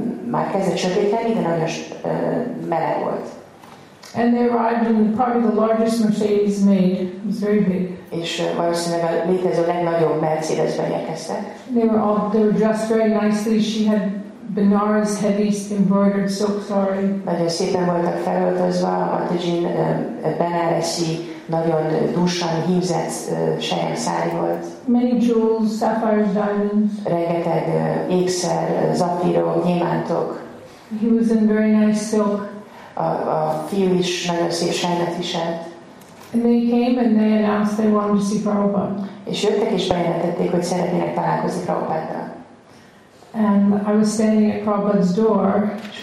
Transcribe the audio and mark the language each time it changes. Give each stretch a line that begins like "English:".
Hungarian: Már kezdett sötéteni, de nagyon meleg volt.
English: And they arrived in probably the largest Mercedes made. It was very big.
Hungarian: És valószínűleg a létező legnagyobb Mercedesben érkeztek.
English: They were dressed very nicely. She had Benares heavy embroidered silk sari.
Hungarian: Nagyon szépen voltak felöltözve, Matijin Benaresi nagyon dúsan hímzett sejem szári volt.
English: Many jewels, sapphires, diamonds.
Hungarian: Rengeteg ékszer, zafírok, gyémántok.
English: He was in very nice silk.
Hungarian: A fiú is nagyon szép sejmet viselt.
English: And they came and they announced they wanted to see Prabhupada.
Hungarian: És jöttek és bejelentették, hogy szeretnének találkozni Prabhupáddal.
English: And I was standing at Prabhupada's door.